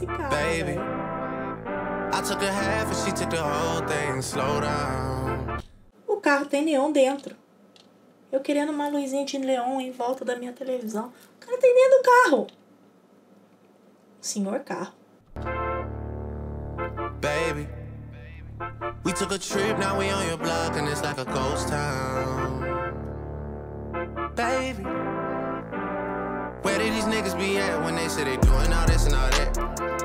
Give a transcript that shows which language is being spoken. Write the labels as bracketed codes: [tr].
[en] Baby, I took a half and she took the whole thing. Slow down. [pt] O carro tem neon dentro. Eu querendo uma luzinha de neon em volta da minha televisão. O cara tem dentro do carro. Senhor carro. [en] Baby, we took a trip, now we on your block and it's like a ghost town. Baby, where did these niggas be at when they said they doing all this and all that?